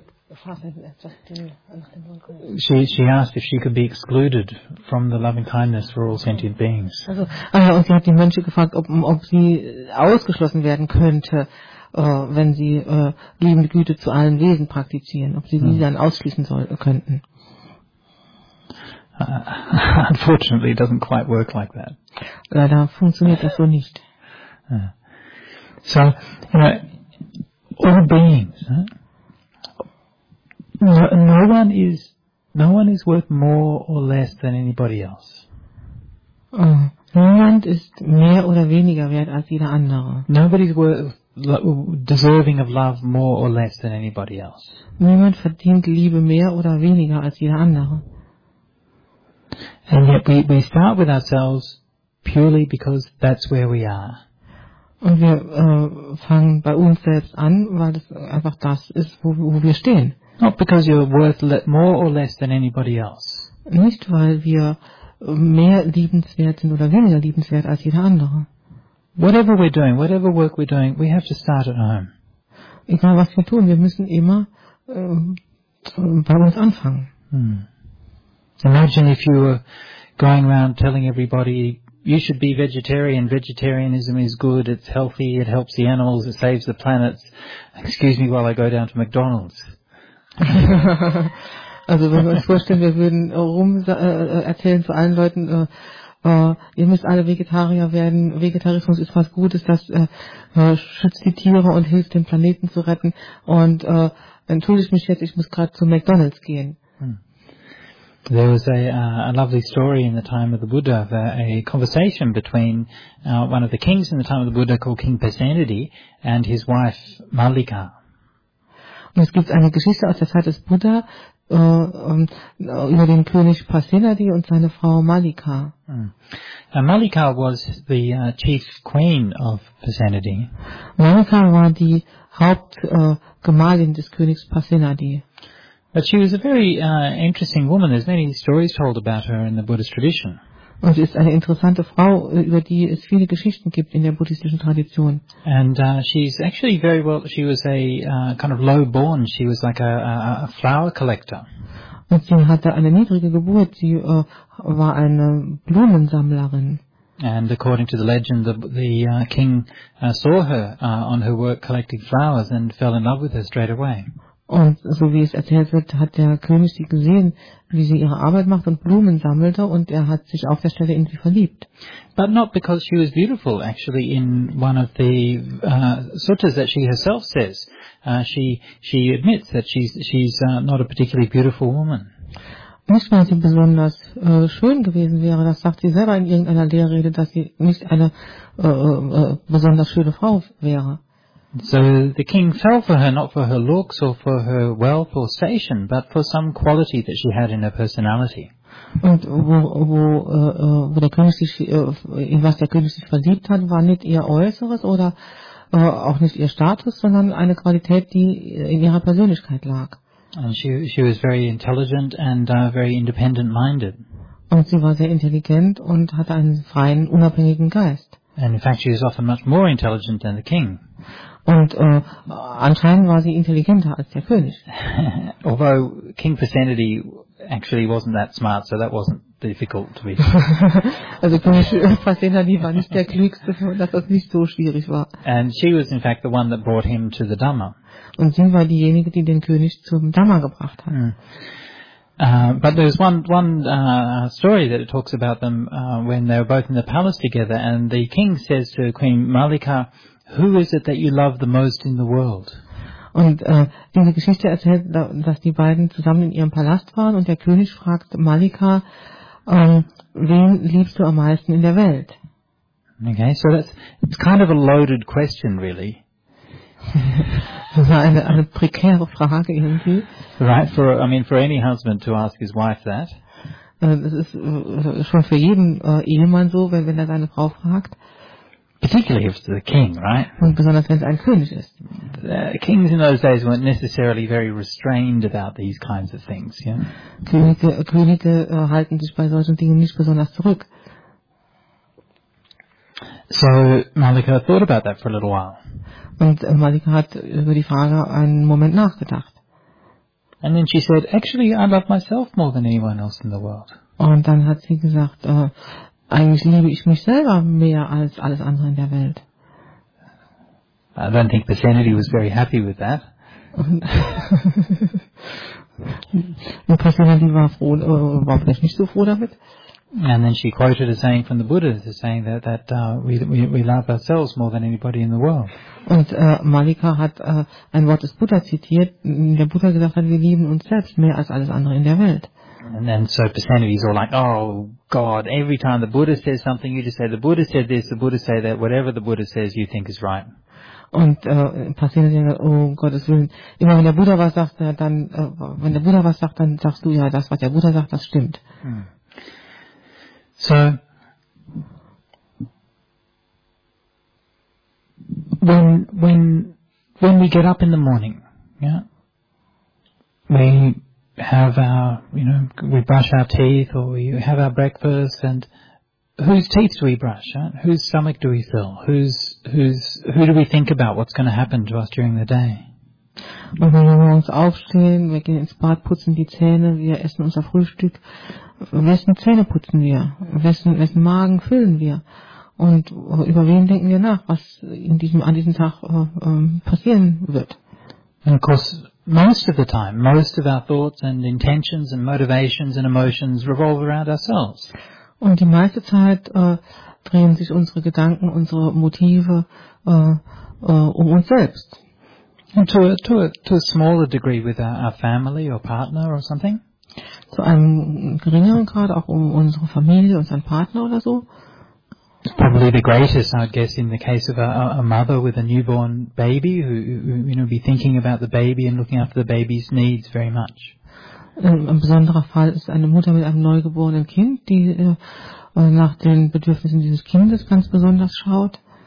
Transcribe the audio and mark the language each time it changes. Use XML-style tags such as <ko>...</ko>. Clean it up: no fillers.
<en>She asked if she could be excluded from the loving kindness for all sentient beings.</en> <de>Und sie hat die Mönche gefragt, ob sie ausgeschlossen werden könnte, wenn sie liebende Güte zu allen Wesen praktizieren, ob sie sie dann ausschließen könnten.</de> <en>Unfortunately, it doesn't quite work like that.</en> <de>Leider funktioniert das so nicht.</de> <en>So, all beings, no one is worth more or less than anybody else.</en> <de>Niemand ist mehr oder weniger wert als jeder andere.</de> <en>Nobody's worth deserving of love more or less than anybody else.</en> <de>Niemand verdient Liebe mehr oder weniger als jeder andere.</de> <en>And yet we start with ourselves purely because that's where we are.</en> <de>Und wir fangen bei uns selbst an, weil das einfach das ist, wo wir stehen.</de> <en>Not because you're worth more or less than anybody else.</en> <de>Nicht weil wir mehr liebenswert sind oder weniger liebenswert als jeder andere.</de> <en>Whatever we're doing, whatever work we're doing, we have to start at home.</en> <de>Egal was wir tun, wir müssen immer bei uns anfangen.</de> <en>Imagine if you were going around telling everybody, you should be vegetarian, vegetarianism is good, it's healthy, it helps the animals, it saves the planet. Excuse me while I go down to McDonald's.</en> <de>Also wenn wir uns vorstellen, wir würden erzählen zu allen Leuten, ihr müsst alle Vegetarier werden, Vegetarismus ist was Gutes, das schützt die Tiere und hilft den Planeten zu retten, und entschuldige mich jetzt, ich muss gerade zu McDonald's gehen.</de> <en>There was a lovely story in the time of the Buddha, a conversation between one of the kings in the time of the Buddha called King Pasenadi and his wife Mallika.</en> <de>Und es gibt eine Geschichte aus der Zeit des Buddha, über den König Prasenadi und seine Frau Malika.</de> <en>Now, Malika was the chief queen of Prasenadi.</en> <de>Malika war die Hauptgemahlin des Königs Prasenadi.</de> <en>But she was a very interesting woman. There's many stories told about her in the Buddhist tradition.</en> <de>Und sie ist eine interessante Frau, über die es viele Geschichten gibt in der buddhistischen Tradition.</de> <en>And she's actually very well. She was a kind of low born. She was like a flower collector.</en> <de>Und sie hatte eine niedrige Geburt. Sie war eine Blumensammlerin.</de> <en>And according to the legend, the king saw her on her work collecting flowers and fell in love with her straight away.</en> <de>Und so wie es erzählt wird, hat der König sie gesehen, wie sie ihre Arbeit macht und Blumen sammelte, und er hat sich auf der Stelle in sie verliebt.</de> <en>But not because she was beautiful, actually, in one of the suttas that she herself says. She admits that she's not a particularly beautiful woman.</en> <de>Nicht, weil sie besonders schön gewesen wäre, das sagt sie selber in irgendeiner Lehrrede, dass sie nicht eine besonders schöne Frau wäre.</de> <en>So the king fell for her, not for her looks or for her wealth or station, but for some quality that she had in her personality.</en> <de>Und wo der König sich, in was der König sich verliebt hat, war nicht ihr Äußeres oder auch nicht ihr Status, sondern eine Qualität, die in ihrer Persönlichkeit lag.</de> <en>And she was very intelligent and very independent-minded.</en> <de>Und sie war sehr intelligent und hatte einen freien, unabhängigen Geist.</de> <en>And in fact, she was often much more intelligent than the king.</en> <de>Und anscheinend war sie intelligenter als der König.</de> <en>Although King Prasenadi actually wasn't that smart, so that wasn't difficult to be.</en> <de>Also König Prasenadi war nicht der Klügste, dass das nicht so schwierig war.</de> <en>And she was in fact the one that brought him to the Dhamma.</en> <de>Und sie war diejenige, die den König zum Dhamma gebracht hat.</de> <en>But there's one story that it talks about them when they were both in the palace together, and the king says to Queen Malika, "Who is it that you love the most in the world?"</en> <de>Und diese Geschichte erzählt, dass die beiden zusammen in ihrem Palast waren und der König fragt Malika, wen liebst du am meisten in der Welt?</de> <en>Okay, so it's kind of a loaded question, really.</en> <de>Das war eine prekäre Frage irgendwie.</de> <en>Right, for any husband to ask his wife that.</en> <de>Das ist schon für jeden Ehemann so, wenn er seine Frau fragt.</de> <en>Particularly if it's the king, right?</en> <de>Und besonders wenn es ein König ist.</de> <en>The kings in those days weren't necessarily very restrained about these kinds of things. Yeah?</en> <de>Könige halten sich bei solchen Dingen nicht besonders zurück.</de> <en>So Malika thought about that for a little while.</en> <de>Und Malika hat über die Frage einen Moment nachgedacht.</de> <en>And then she said, "Actually, I love myself more than anyone else in the world."</en> <de>Und dann hat sie gesagt, eigentlich liebe ich mich selber mehr als alles andere in der Welt.</de> <en>I don't think Prasenadi was very happy with that.</en> <de>Und Prasenadi war vielleicht nicht so froh damit.</de> <en>And then she quoted a saying from the Buddha, saying that we love ourselves more than anybody in the world.</en> <de>Und Malika hat ein Wort des Buddha zitiert, in der Buddha gesagt hat, wir lieben uns selbst mehr als alles andere in der Welt.</de> <en>And then so Prasenadi is all like, "Oh God, every time the Buddha says something, you just say the Buddha said this, the Buddha said that, whatever the Buddha says, you think is right."</en> <de>Und Prasenadi, oh Gottes Willen, immer wenn der Buddha was sagt, dann wenn der Buddha was sagt, dann sagst du ja, das was der Buddha sagt, das stimmt.</de> <en>So when we get up in the morning, yeah, we have our, you know, we brush our teeth or we have our breakfast, and whose teeth do we brush, huh? Whose stomach do we fill? Who do we think about what's going to happen to us during the day?</en> <de>Und wenn wir morgens aufstehen, wir gehen ins Bad, putzen die Zähne, wir essen unser Frühstück. Wessen Zähne putzen wir? Wessen Magen füllen wir? Und über wen denken wir nach, was an diesem Tag passieren wird?</de> <en>And of course, most of the time, most of our thoughts and intentions and motivations and emotions revolve around ourselves.</en> <de>Und die meiste Zeit drehen sich unsere Gedanken, unsere Motive um uns selbst.</de> <en>And to a smaller degree with our family or partner or something.</en> <de>Zu einem geringeren Grad auch um unsere Familie, unseren Partner oder so.</de> <en>It's probably the greatest, I guess, in the case of a mother with a newborn baby who you know be thinking about the baby and looking after the baby's needs very much.</en> <de>Ein besonderer Fall ist eine Mutter mit einem neugeborenen Kind, die nach den Bedürfnissen dieses Kindes ganz besonders schaut.</de>